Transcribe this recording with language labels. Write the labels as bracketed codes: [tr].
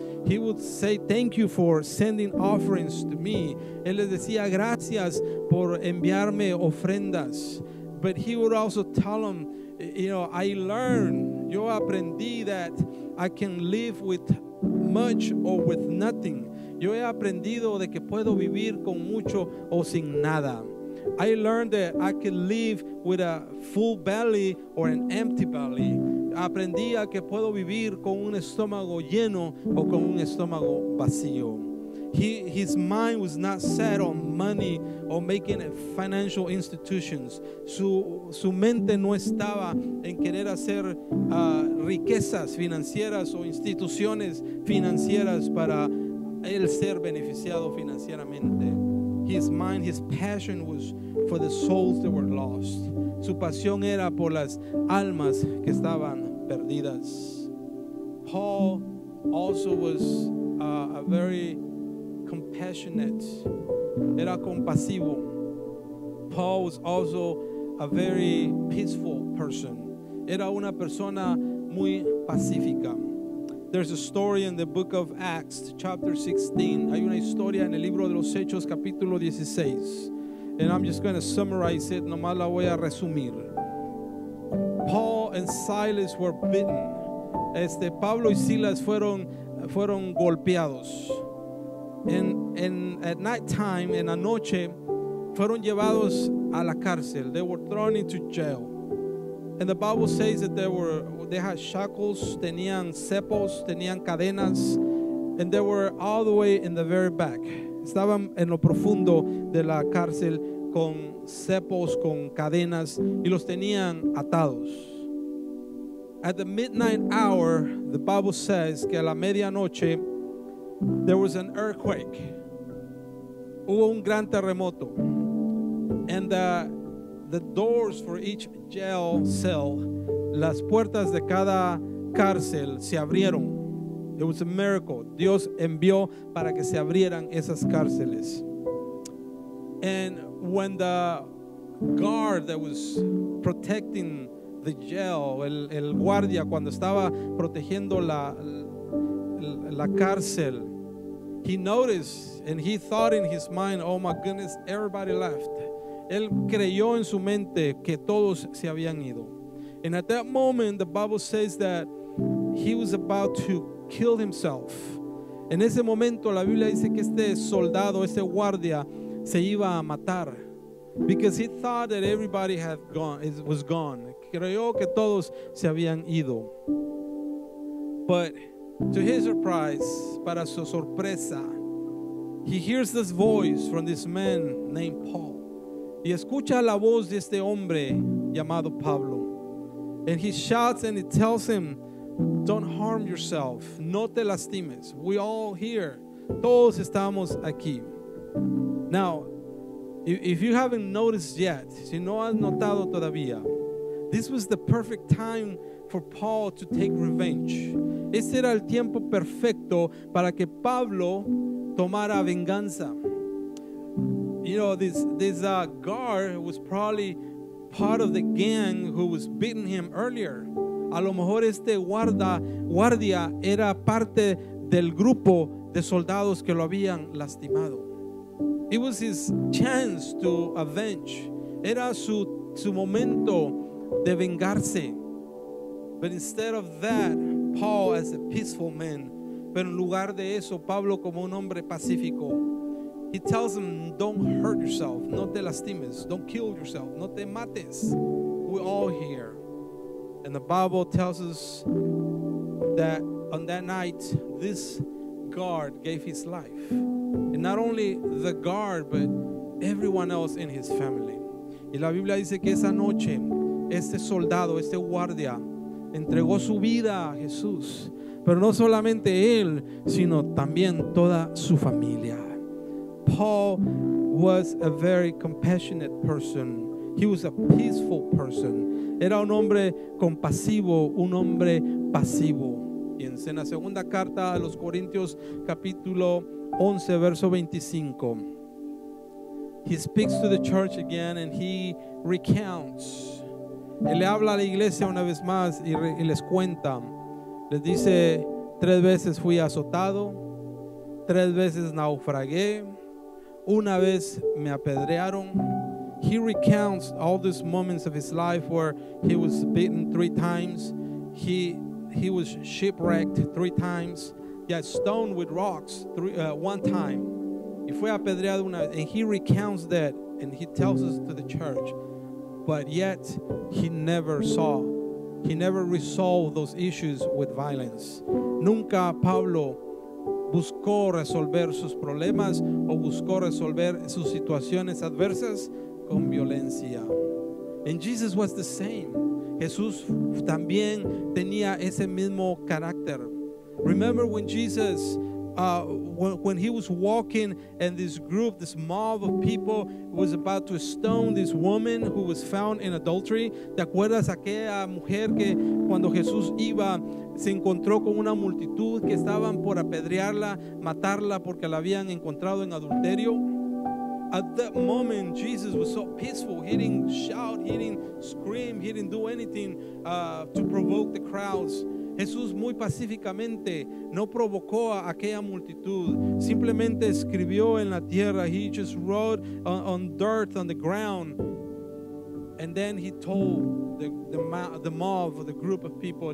[en] He would say thank you for sending offerings to me. [es] Él les decía gracias por enviarme ofrendas. [en] But he would also tell them, you know, I learned, [es] yo aprendí [en] that I can live with much or with nothing. [es] Yo he aprendido de que puedo vivir con mucho o sin nada. [en] I learned that I can live with a full belly or an empty belly. [es] Aprendí a que puedo vivir con un estómago lleno o con un estómago vacío. [en] His mind was not set on money or making financial institutions. [es] Su mente no estaba en querer hacer riquezas financieras o instituciones financieras para él ser beneficiado financieramente. [en] His mind, his passion was for the souls that were lost. [es] Su pasión era por las almas que estaban perdidas. [en] Paul also was a very compassionate. [es] Era compasivo. [en] Paul was also a very peaceful person. [es] Era una persona muy pacífica. [en] There's a story in the book of Acts, chapter 16. [es] Hay una historia en el libro de los Hechos, capítulo 16. [en] And I'm just going to summarize it. [es] Nomás la voy a resumir. [en] Paul and Silas were beaten. [es] Pablo y Silas fueron golpeados. [en] And at night time, [es] en la noche, fueron llevados a la cárcel. [en] They were thrown into jail. And the Bible says that they had shackles, [es] tenían cepos, tenían cadenas, [en] and they were all the way in the very back. [es] Estaban en lo profundo de la cárcel con cepos, con cadenas, y los tenían atados. [en] At the midnight hour, the Bible says [es] que a la medianoche, [en] there was an earthquake. [es] Hubo un gran terremoto. [en] And the doors for each jail cell, [es] las puertas de cada cárcel se abrieron. [en] It was a miracle. [es] Dios envió para que se abrieran esas cárceles. [en] And when the guard that was protecting the jail, [es] el guardia cuando estaba protegiendo la cárcel, [en] he noticed and he thought in his mind, oh my goodness, everybody left. [es] Él creyó en su mente que todos se habían ido. [en] And at that moment, the Bible says that he was about to kill himself. [es] En ese momento, la Biblia dice que este soldado, este guardia, se iba a matar. [en] Because he thought that everybody had gone, was gone. [es] Creyó que todos se habían ido. [en] But to his surprise, [es] para su sorpresa, [en] he hears this voice from this man named Paul. [es] Y escucha la voz de este hombre llamado Pablo. [en] And he shouts and he tells him, don't harm yourself. [es] No te lastimes. [en] We all here. [es] Todos estamos aquí. [en] Now, if you haven't noticed yet, [es] si no has notado todavía, [en] this was the perfect time for Paul to take revenge. [es] Este era el tiempo perfecto para que Pablo tomara venganza. [en] You know, this guard was probably part of the gang who was beating him earlier. [es] A lo mejor este guardia era parte del grupo de soldados que lo habían lastimado. [en] It was his chance to avenge. [es] Era su momento de vengarse. [en] But instead of that, Paul as a peaceful man, [es] pero en lugar de eso, Pablo como un hombre pacífico, [en] he tells him, don't hurt yourself. [es] No te lastimes. [en] Don't kill yourself. [es] No te mates. [en] We're all here. And the Bible tells us that on that night, this guard gave his life. And not only the guard, but everyone else in his family. [es] Y la Biblia dice que esa noche, este soldado, este guardia, entregó su vida a Jesús. Pero no solamente él, sino también toda su familia. [en] Paul was a very compassionate person. He was a peaceful person. [es] Era un hombre compasivo, un hombre pasivo. Y en la segunda carta a los Corintios, capítulo 11, verso 25, [en] he speaks to the church again and he recounts. [es] Él le habla a la iglesia una vez más y les cuenta. Les dice, Tres veces fui azotado, tres veces naufragué, una vez me apedrearon. [en] He recounts all these moments of his life where he was beaten three times, he was shipwrecked three times, he got stoned with rocks one time. [es] Y fue apedreado una vez. [en] And he recounts that, and he tells us to the church. But yet, he never resolved those issues with violence. [es] Nunca Pablo buscó resolver sus problemas o buscó resolver sus situaciones adversas con violencia. [en] And Jesus was the same. [es] Jesús también tenía ese mismo carácter. [en] Remember when Jesus, when he was walking and this group, this mob of people was about to stone this woman who was found in adultery. [es] ¿Te acuerdas aquella mujer que cuando Jesús iba se encontró con una multitud que estaban por apedrearla, matarla porque la habían encontrado en adulterio? [en] At that moment, Jesus was so peaceful. He didn't shout, he didn't scream, he didn't do anything to provoke the crowds. [es] Jesús muy pacíficamente no provocó a aquella multitud. Simplemente escribió en la tierra. [en] He just wrote on dirt on the ground. And then he told the mob, the group of people.